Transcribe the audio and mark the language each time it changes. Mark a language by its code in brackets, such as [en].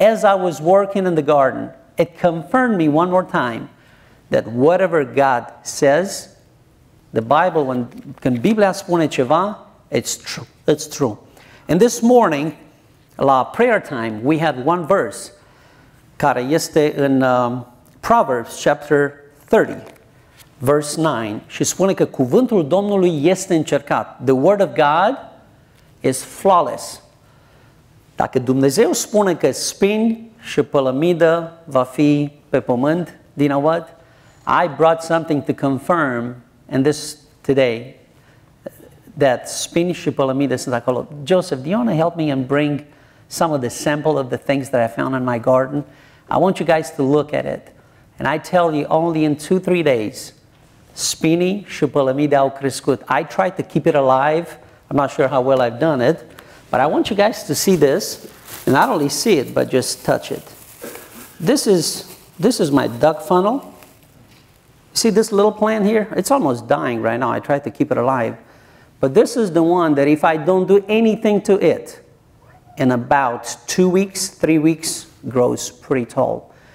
[en] As I was working in the garden, it confirmed me one more time that whatever God says, the Bible, when can [ro] Biblia spune ceva, [en] it's true. It's true. And this morning, la prayer time, we had one verse [ro] care este [en] in Proverbs chapter 30, verse 9. [ro] Și spune că cuvântul Domnului este încercat. [en] The word of God is flawless. [ro] Dacă Dumnezeu spune că spin și pălămidă va fi pe pământ, [en] do you know what? I brought something to confirm in this today that [ro] spin și pălămidă sunt acolo. [en] Joseph, do you want to help me and bring some of the sample of the things that I found in my garden? I want you guys to look at it. And I tell you, only in 2-3 days, [ro] spinii și pălămidă au crescut. [en] I tried to keep it alive. I'm not sure how well I've done it. But I want you guys to see this, and not only see it, but just touch it. This is my duck funnel. See this little plant here? It's almost dying right now. I tried to keep it alive. But this is the one that if I don't do anything to it, in about 2 weeks, 3 weeks, grows pretty tall.